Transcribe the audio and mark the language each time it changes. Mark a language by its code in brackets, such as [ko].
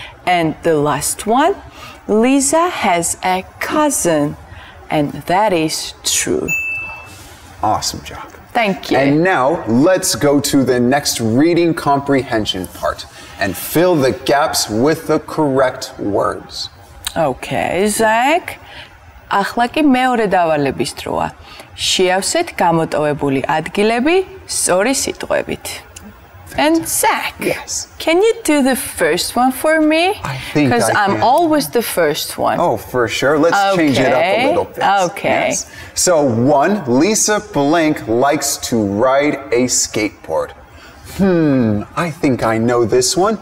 [en] And the last one, Lisa has a cousin. And that is true. Awesome job. Thank you. And now let's go to the next reading comprehension part and fill the gaps with the correct words. Okay, Zach. [ka] ახლა კი მეორე დავალების დროა. შეავსეთ გამოტოვებული ადგილები სწორი სიტყვებით. [en] And Zach, yes. Can you do the first one for me? Because I'm always the first one. Oh, for sure. Let's okay. change it up a little bit. Okay. Yes. So one, Lisa Blank likes to ride a skateboard. I think I know this one.